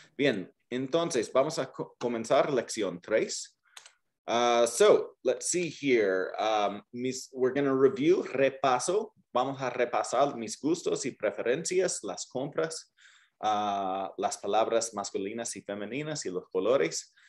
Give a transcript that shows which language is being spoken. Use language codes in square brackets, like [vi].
[es] Bien, entonces vamos a comenzar lección 3. [en] So, let's see here. We're going to review, repaso. [es] Vamos a repasar mis gustos y preferencias, las compras, las palabras masculinas y femeninas y los colores.